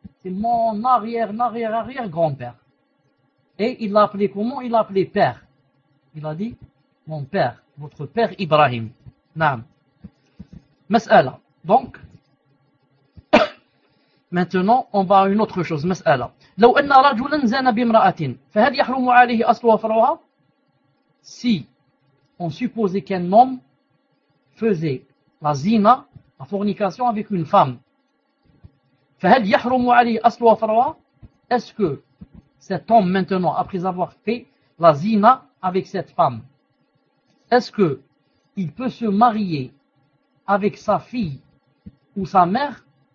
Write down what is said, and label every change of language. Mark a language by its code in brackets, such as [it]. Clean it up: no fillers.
[fr] C'est mon arrière grand-père. Et il l'a appelé comment? Il l'a appelé père. Il a dit, mon père, votre père Ibrahim. Naam. مسألة. Donc, Maintenant, on va à une autre chose. Mas'ala. [ar] لو أن رجلا زنا بامرأة فهل يحرم عليه أصلها وفروعها? [fr] Si on supposait qu'un homme faisait la zina, la fornication avec une femme, [ar] فهل يحرم عليه أصلها وفروعها? [fr] Est-ce que cet homme maintenant, après avoir fait la zina avec cette femme, est-ce que il peut se marier avec sa fille ou sa mère?